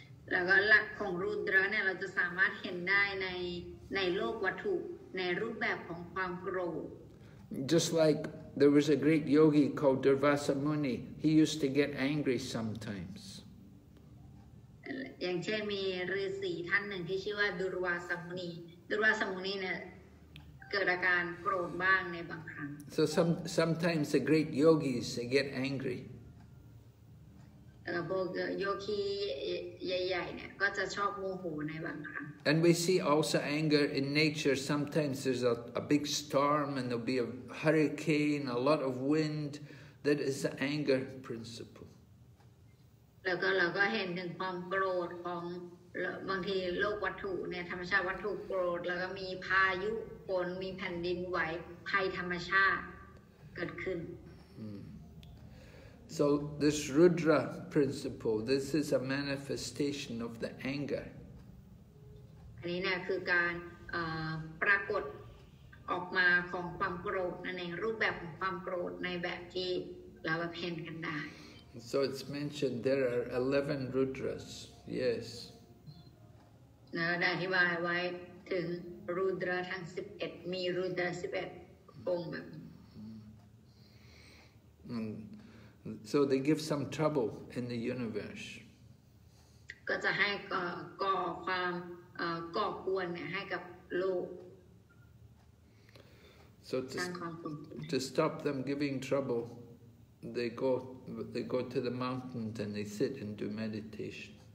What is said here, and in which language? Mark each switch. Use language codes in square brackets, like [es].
[th] แล้วก็หลักของรูดระเนี่ยเราจะสารถเห็นได้ในโลกวัตถุในรูปแบบของความโกรธ [en] Just like there was a great yogi called Durvasa Muni. He used to get angry sometimes. [th] อย่างเช่นมีฤาษีท่านหนึ่งที่ชื่อว่าดุรวาสมุนีเนี่ยเกิดอาการโกรธบ้างในบางครั้ง [en] So sometimes the great yogis they get angry. [th] พวกโยคีใหญ่ๆเนี่ยก็จะชอบโมโหในบางครั้ง [en] And we see also anger in nature. Sometimes there's a big storm and there'll be a hurricane, a lot of wind. That is the anger principle. [th] แล้วก็เราก็เห็นถึงความโกรธของบางทีโลกวัตถุเนี่ยธรรมชาติวัตถุโกรธแล้วก็มีพายุฝนมีแผ่นดินไหวภัยธรรมชาติเกิดขึ้น [en] So this Rudra principle, this is a manifestation of the anger. [th] อันนี้นะคือการปรากฏออกมาของความโกรธในรูปแบบของความโกรธในแบบที่เราเห็นกันได้ [en] So it's mentioned there are 11 Rudras. Yes. [th] นะได้อธิบายไว้ถึงรูดราทั้ง11มีรูดรา11องค์แบบ [en] So they give some trouble in the universe. [th] ก็จะให้ก่อความก่อกวนให้กับโลก [en] So to stop them giving trouble, they go to the mountains and they sit and do meditation.